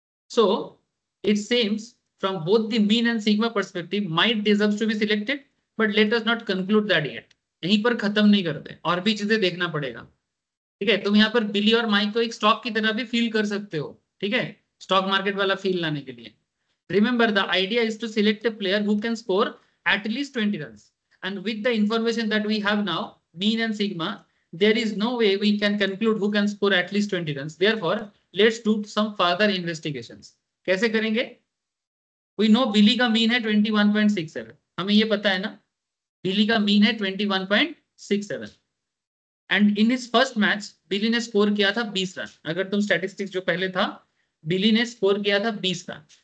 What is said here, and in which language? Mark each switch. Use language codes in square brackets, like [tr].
[en] so it seems from both the mean and sigma perspective might deserves to be selected, but let us not conclude that yet, [hi] यहीं पर खत्म नहीं करते, और भी चीजें देखना पड़ेगा, ठीक है। तुम यहाँ पर बिली और माइक को एक स्टॉक की तरह भी फील कर सकते हो, ठीक है, स्टॉक मार्केट वाला फील लाने के लिए। [en] Remember the idea is to select a player who can score at least 20 run, and with the information that we have now, mean and sigma, there is no way we can conclude who can score at least 20 runs. Therefore, let's do some further investigations. [hi] कैसे करेंगे? [en] We know [hi] Billy का mean है 21.67. हमें ये पता है ना? बिली का मीन है 21.67 [en] and in his first match [hi] बिली ने स्कोर किया था 20 रन. अगर तुम स्टैटिस्टिक्स जो पहले था बिली ने स्कोर किया था 20 रन.